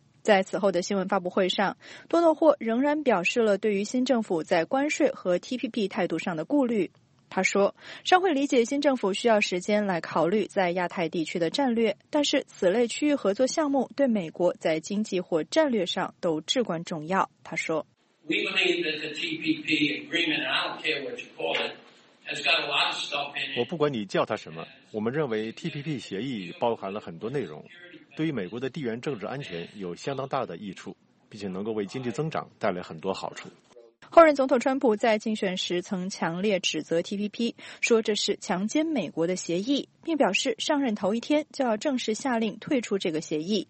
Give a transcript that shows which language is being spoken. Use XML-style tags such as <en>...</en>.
<zh>在此后的新闻发布会上，多诺霍仍然表示了对于新政府在关税和 TPP 态度上的顾虑。他说，商会理解新政府需要时间来考虑在亚太地区的战略，但是此类区域合作项目对美国在经济或战略上都至关重要。他说，</zh> <en>We believe that the TPP agreement, and I don't care what you call it, has got a lot of stuff in it.</en> <zh>我不管你叫它什么，我们认为 TPP 协议包含了很多内容，对于美国的地缘政治安全有相当大的益处，并且能够为经济增长带来很多好处。后任总统川普在竞选时曾强烈指责 TPP， 说这是强奸美国的协议，并表示上任头一天就要正式下令退出这个协议。</zh>